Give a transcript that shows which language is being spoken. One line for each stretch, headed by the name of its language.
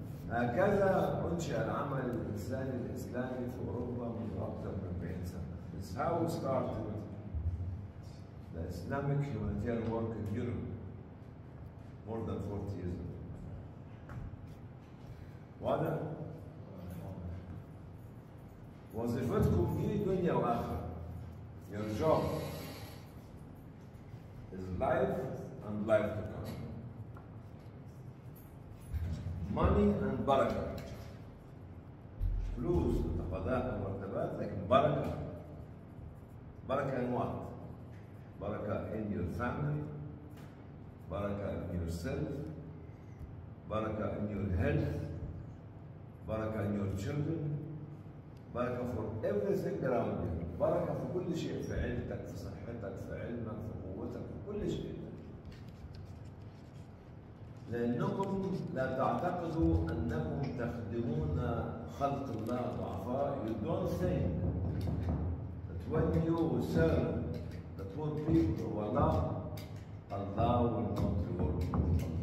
Arabic: هكذا أنشأ العمل الإنساني الإسلامي في أوروبا من أكثر من 40 سنة.
English: It's how it started the Islamic humanitarian work in Europe more than 40 years ago.
Arabic: وهذا وظيفتكم في الدنيا والآخرة.
English: Your job is life and life to come. Money and baraka.
Arabic: فلوس وتقاضات ومرتبات لكن باركة.
English: Baraka in what? Baraka in your family. Baraka in yourself. Baraka in your health. Baraka in your children. Baraka for everything around you.
Arabic: Baraka في كل شيء. في علتك, في صحتك, في علمك, في قوتك, في كل شيء. لأنكم لا تعتقدوا أنكم تخدمون خلق الله ضعفاء.
English: You don't think that when you serve the poor people of Allah, Allah will not reward you.